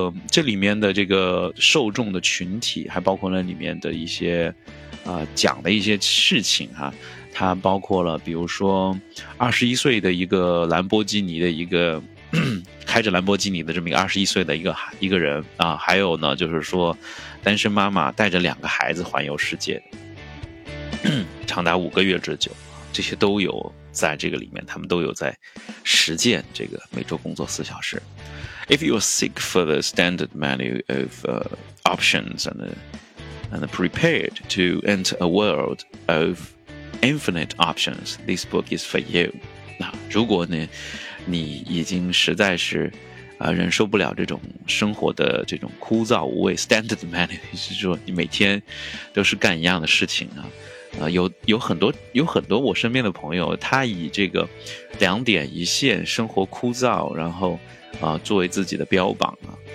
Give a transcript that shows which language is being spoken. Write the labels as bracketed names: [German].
[Chinese] 这里面的这个受众的群体还包括了里面的一些讲的一些事情哈，它包括了比如说21岁的一个兰博基尼的一个开着兰博基尼的这么一个21岁的一个人啊，还有呢就是说单身妈妈带着两个孩子环游世界长达5个月之久，这些都有在这个里面，他们都有在实践这个每周工作4小时。 [English] If you are sick for the standard menu of options and prepared to enter a world of infinite options, this book is for you. [Chinese] 那如果你已经实在是忍受不了这种生活的这种枯燥无味 standard menu， 就是说你每天都是干一样的事情啊，有很多我身边的朋友，他以这个两点一线生活枯燥然后作为自己的标榜啊。